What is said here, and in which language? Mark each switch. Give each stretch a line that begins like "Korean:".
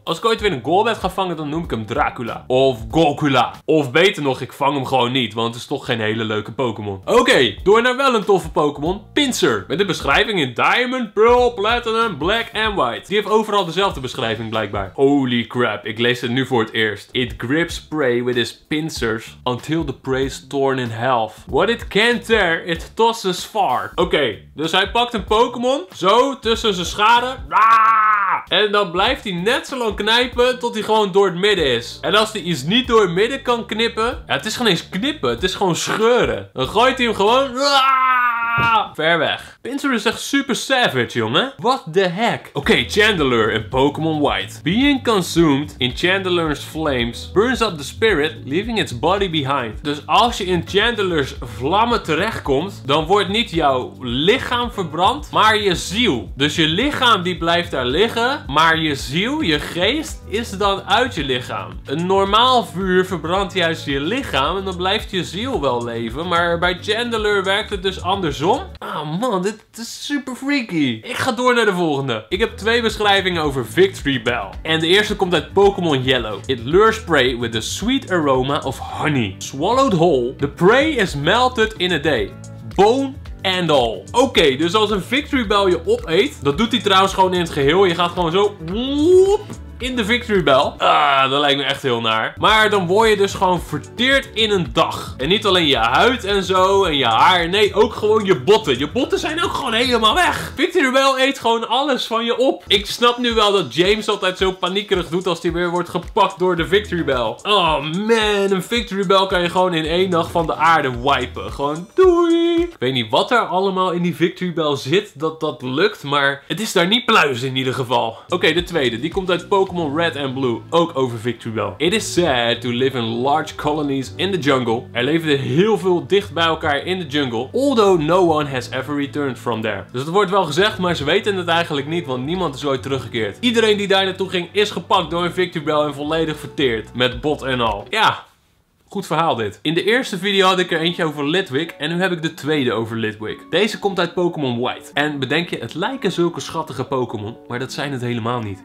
Dutch: Als ik ooit weer een Golbat ga vangen, dan noem ik hem Dracula. Of Golcula. Of beter nog, ik vang hem gewoon niet, want het is toch geen hele leuke Pokémon. Oké, door naar wel een toffe Pokémon. Pinsir. Met de beschrijving in Diamond, Pearl, Platinum, Black en White. Die heeft overal dezelfde beschrijving blijkbaar.
English: Holy crap,
Dutch: ik lees het nu voor het eerst.
English: It grips prey with his pincers until the prey is torn in half. What it can't tear, it tosses far.
Dutch: Oké, dus hij pakt een Pokémon, zo tussen zijn scharen. En dan blijft hij net zo lang knijpen tot hij gewoon door het midden is. En als hij iets niet door het midden kan knippen, ja, het is geen eens knippen, het is gewoon scheuren. Dan gooit hij hem gewoon ver weg. Pinsir is echt super savage, jongen.
English: What the heck?
Dutch: Oké, Chandelure in Pokémon White.
English: Being consumed in Chandelure's flames burns up the spirit, leaving its body behind.
Dutch: Dus als je in Chandelure's vlammen terechtkomt, dan wordt niet jouw lichaam verbrand, maar je ziel. Dus je lichaam die blijft daar liggen, maar je ziel, je geest, is dan uit je lichaam. Een normaal vuur verbrandt juist je lichaam en dan blijft je ziel wel leven, maar bij Chandelure werkt het dus andersom. Ah, man. Dit is super freaky. Ik ga door naar de volgende. Ik heb 2 beschrijvingen over Victory Bell. En de eerste komt uit Pokémon Yellow.
English: It lures prey with the sweet aroma of honey. Swallowed whole, the prey is melted in a day. Bone and all.
Dutch: Oké, dus als een Victory Bell je opeet, dat doet hij trouwens gewoon in het geheel. Je gaat gewoon zo... Woop. In de Victory Bell. Dat lijkt me echt heel naar. Maar dan word je dus gewoon verteerd in een dag. En niet alleen je huid en zo en je haar. Nee, ook gewoon je botten. Je botten zijn ook gewoon helemaal weg. Victory Bell eet gewoon alles van je op. Ik snap nu wel dat James altijd zo paniekerig doet als hij weer wordt gepakt door de Victory Bell. Oh man, een Victory Bell kan je gewoon in 1 dag van de aarde wipen. Gewoon doei. Ik weet niet wat er allemaal in die Victory Bell zit dat dat lukt. Maar het is daar niet pluis in ieder geval. Oké, de 2e. Die komt uit Pokémon Red and Blue, ook over Victory Bell.
English: It is sad to live in large colonies in the jungle.
Dutch: Er leefden heel veel dicht bij elkaar in de jungle.
English: Although no one has ever returned from there.
Dutch: Dus het wordt wel gezegd, maar ze weten het eigenlijk niet, want niemand is ooit teruggekeerd. Iedereen die daar naartoe ging, is gepakt door een Victory Bell en volledig verteerd. Met bot en al. Ja. Goed verhaal dit. In de eerste video had ik er eentje over Litwick en nu heb ik de 2e over Litwick. Deze komt uit Pokémon White. En bedenk je, het lijken zulke schattige Pokémon, maar dat zijn het helemaal niet.